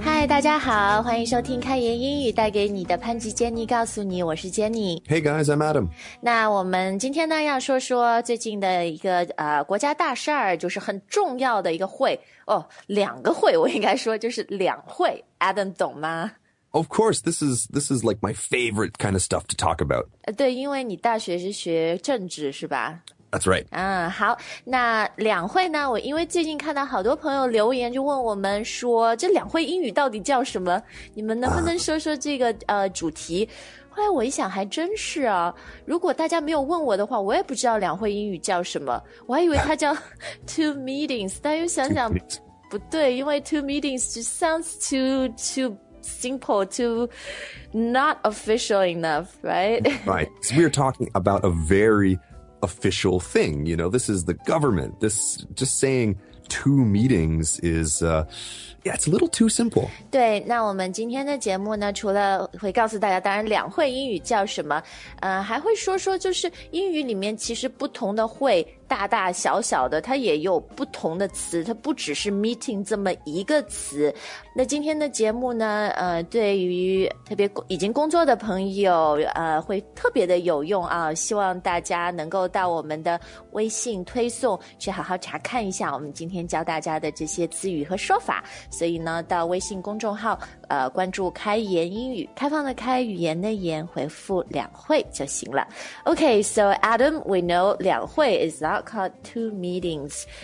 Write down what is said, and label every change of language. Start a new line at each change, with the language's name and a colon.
Chinese: 嗨，大家好，欢迎收听开言英语带给你的潘吉杰尼告诉你，我是杰尼。
English: Hey guys, I'm Adam.
Chinese: 那我们今天呢要说说最近的一个国家大事儿，就是很重要的一个会哦，两个会，我应该说就是两会。 Adam 懂吗？
English: Of course, this is like my favorite kind of stuff to talk about.
Chinese: 对，因为你大学是学政治是吧？
English: That's right.
Chinese: 好，那两会呢，我因为最近看到好多朋友留言就问我们说这两会英语到底叫什么，你们能不能说说这个主题。后来我一想还真是啊，如果大家没有问我的话，我也不知道两会英语叫什么，我还以为它叫
English: two meetings, 但又想想不对，因为 two meetings just sounds too simple, too not official enough, right? Right. So we're talking about a very... official thing, you know, this is the government. This just saying two meetings is, yeah, it's a little too simple.
Chinese: 对，那我们今天的节目呢，除了会告诉大家，当然两会英语叫什么，还会说说就是英语里面其实不同的会，大大小小的，它也有不同的词，它不只是 meeting 这么一个词。那今天的节目呢，对于特别已经工作的朋友，会特别的有用啊，希望大家能够到我们的微信推送去好好查看一下我们今天教大家的这些词语和说法。所以呢，到微信公众号关注开言英语，开放的开，语言的言，回复两会就行了。
English: Okay, so Adam, we know 两会 is not called two meetings.